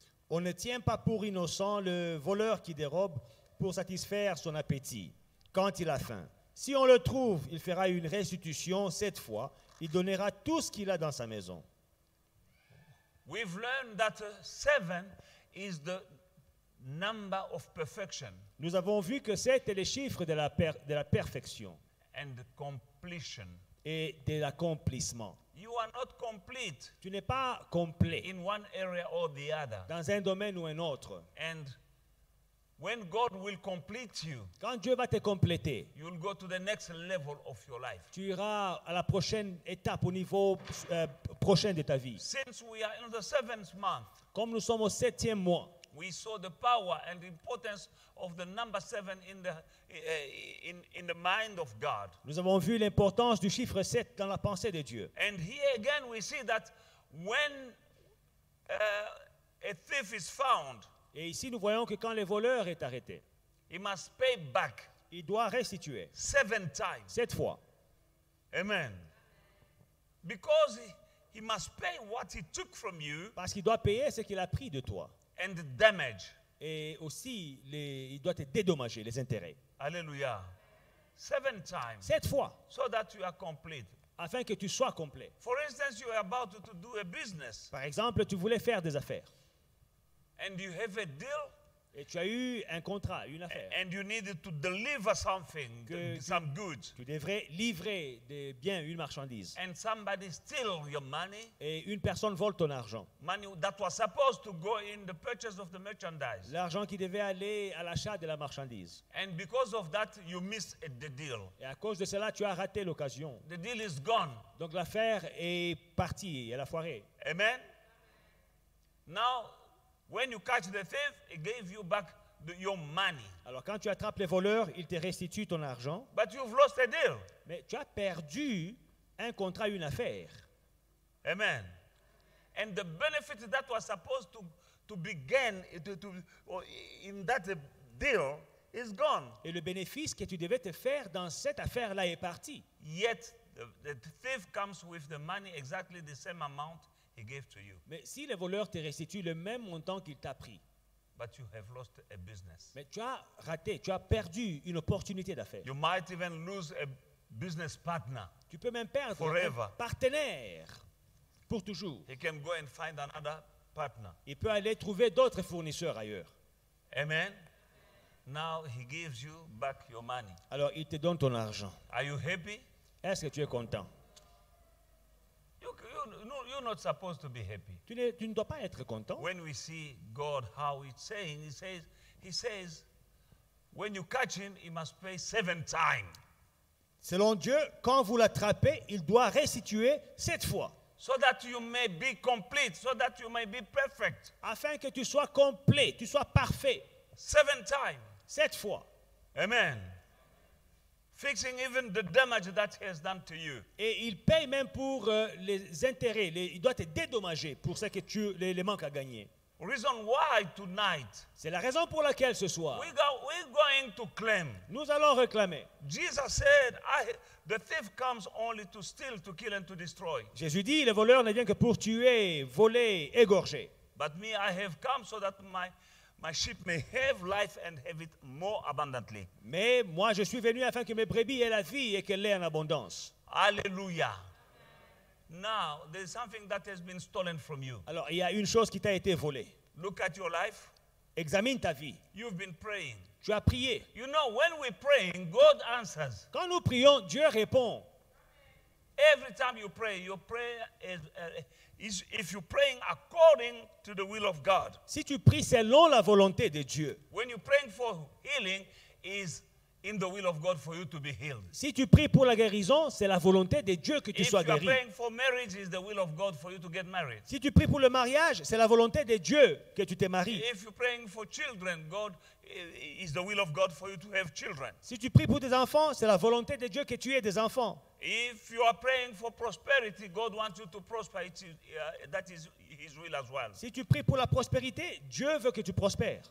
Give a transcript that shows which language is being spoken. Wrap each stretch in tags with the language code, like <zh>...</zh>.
<fr>On ne tient pas pour innocent le voleur qui dérobe pour satisfaire son appétit. Quand il a faim, si on le trouve, il fera une restitution cette fois. Il donnera tout ce qu'il a dans sa maison.</fr> <en>We've learned that seven is the number of perfection.</en> <fr>Nous avons vu que 7 est le chiffre de la perfection.</fr> <en>And completion.</en> <fr>Et de l'accomplissement.</fr> <en>You are not complete.</en> <fr>Tu n'es pas complet.</fr> <en>In one area or the other.</en> <fr>Dans un domaine ou un autre.</fr> <en>And when God will complete you,</en> <fr>quand Dieu va te compléter,</fr> <en>you'll go to the next level of your life.</en> <fr>Tu iras à la prochaine étape, au niveau prochain de ta vie.</fr> <en>Since we are in the seventh month,</en> <fr>comme nous sommes au septième mois,</fr> <en>we saw the power and the importance of the number seven in the mind of God.</en> <fr>Nous avons vu l'importance du chiffre 7 dans la pensée de Dieu.</fr> <en>And here again, we see that when a thief is found.</en> <fr>Et ici, nous voyons que quand le voleur est arrêté,</fr> <en>he must pay back,</en> <fr>il doit restituer</fr> <en>7 times.</en> <fr>7 fois. Amen.</fr> <en>Because he must pay what he took from you.</en> <fr>Parce qu'il doit payer ce qu'il a pris de toi.</fr> <en>And the damage.</en> <fr>Et aussi, il doit te dédommager les intérêts.</fr> <en>Alléluia. 7 times.</en> <fr>7 fois.</fr> <en>So that you are complete.</en> <fr>Afin que tu sois complet.</fr> <en>For instance, you are about to do a business.</en> <fr>Par exemple, tu voulais faire des affaires.</fr> <en>And you have a deal.</en> <fr>Et tu as eu un contrat, une affaire.</fr> <en>And you need to deliver something, some goods.</en> <fr>Tu devrais livrer des biens, une marchandise.</fr> <en>And somebody steal your money.</en> <fr>Et une personne vole ton argent.</fr> <en>Money that was supposed to go in the purchase of the merchandise.</en> <fr>L'argent qui devait aller à l'achat de la marchandise.</fr> <en>And because of that, you miss the deal.</en> <fr>Et à cause de cela, tu as raté l'occasion.</fr> <en>The deal is gone.</en> <fr>Donc l'affaire est partie, elle a foiré. Amen.</fr> <en>Now, when you catch the thief, he gave you back your money.</en> <fr>Alors quand tu attrapes les voleurs, il te restitue ton argent.</fr> <en>But you've lost a deal.</en> <fr>Mais tu as perdu un contrat, une affaire. Amen.</fr> <en>And the benefit that was supposed to begin in that deal is gone.</en> <fr>Et le bénéfice que tu devais te faire dans cette affaire-là est parti.</fr> <en>Yet the thief comes with the money exactly the same amount. He gave to you.</en> <fr>Mais si le voleur te restitue le même montant qu'il t'a pris,</fr> <en>but you have lost a business.</en> <fr>Mais tu as raté, tu as perdu une opportunité d'affaires.</fr> <en>You might even lose a business partner.</en> <fr>Tu peux même perdre</fr> <en>forever.</en> <fr>Un partenaire pour toujours.</fr> <en>He can go and find another partner.</en> <fr>Il peut aller trouver d'autres fournisseurs ailleurs.</fr> <en>Amen. Now he gives you back your money.</en> <fr>Alors il te donne ton argent.</fr> <en>Are you happy?</en> <fr>Est-ce que tu es content?</fr> <en>You're not supposed to be happy.</en> <fr>Tu ne dois pas être content.</fr> <en>When we see God, how it's saying, he says, when you catch him, he must pay 7 times.</en> <fr>Selon Dieu, quand vous l'attrapez, il doit restituer 7 fois.</fr> <en>So that you may be complete, so that you may be perfect.</en> <fr>Afin que tu sois complet, tu sois parfait.</fr> <en>7 times.</en> <fr>7 fois. Amen.</fr> <en>Fixing even the damage that he has done to you.</en> <fr>Et il paye même pour les intérêts. Il doit te dédommager pour ce que tu les manques à gagner.</fr> <en>Reason why tonight,</en> <fr>c'est la raison pour laquelle ce soir,</fr> <en>we're going to claim.</en> <fr>Nous allons réclamer.</fr> <en>Jesus said, the thief comes only to steal, to kill and to destroy.</en> <fr>Jésus dit, le voleur ne vient que pour tuer, voler, égorger.</fr> <en>But me, I have come so that my sheep may have life and have it more abundantly.</en> <fr>Mais moi, je suis venu afin que mes brebis aient la vie et qu'elle ait en abondance. Alléluia.</fr> <en>Now, there is something that has been stolen from you.</en> <fr>Alors, il y a une chose qui t'a été volée.</fr> <en>Look at your life.</en> <fr>Examine ta vie.</fr> <en>You've been praying.</en> <fr>Tu as prié.</fr> <en>You know, when we pray, God answers.</en> <fr>Quand nous prions, Dieu répond.</fr> <en>Every time you pray, your prayer is if you're praying according to the will of God.</en> <fr>Si tu pries selon la volonté de Dieu.</fr> <en>When you're praying for healing, is in the will of God for you to be healed.</en> <fr>Si tu pries pour la guérison, c'est la volonté de Dieu que tu sois guéri.</fr> <en>If you're praying for marriage, is the will of God for you to get married.</en> <fr>Si tu pries pour le mariage, c'est la volonté de Dieu que tu t'es marié.</fr> <en>If you're praying for children, God is the will of God for you to have children.</en> <fr>Si tu pries pour des enfants, c'est la volonté de Dieu que tu aies des enfants.</fr> <en>If you are praying for prosperity, God wants you to prosper. That is His will as well.</en> <fr>Si tu pries pour la prospérité, Dieu veut que tu prospères.</fr>